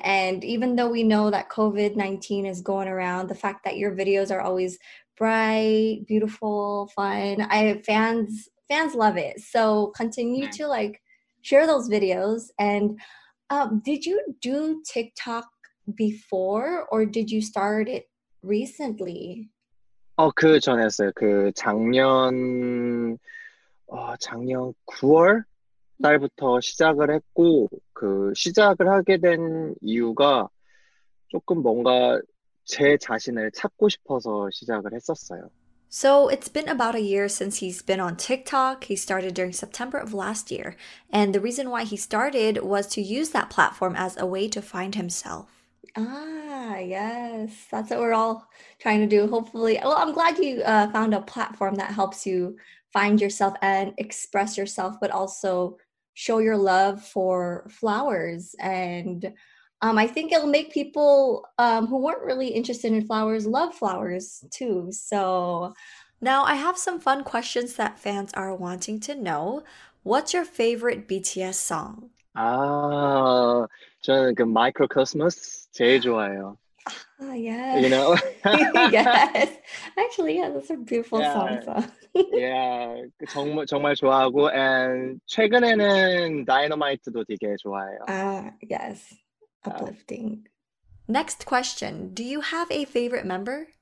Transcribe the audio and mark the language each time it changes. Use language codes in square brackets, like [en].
[en] And even though we know that COVID-19 is going around, the fact that your videos are always bright, beautiful, fun, fans love it. So continue to like share those videos. And did you do TikTok before or did you start it recently? [ko] 그 전에 했어요. 그 작년 9월 달부터 시작을 했고 그 시작을 하게 된 이유가 조금 뭔가 제 자신을 찾고 싶어서 시작을 했었어요. [en] So it's been about a year since he's been on TikTok. He started during September of last year. And the reason why he started was to use that platform as a way to find himself. Ah, yes. That's what we're all trying to do, hopefully. Well, I'm glad you found a platform that helps you find yourself and express yourself, but also show your love for flowers. And I think it'll make people who weren't really interested in flowers love flowers too. So now I have some fun questions that fans are wanting to know. What's your favorite BTS song? [ko] 아, 저는 그 Microcosmos 제일 좋아해요. [en] Yes. You know? Yes. Actually, yeah, those are beautiful yeah. songs. So. [ko] yeah, 정말, 정말 좋아하고, and 최근에는 Dynamite도 되게 좋아해요. [en] Yes, uplifting. Next question, do you have a favorite member?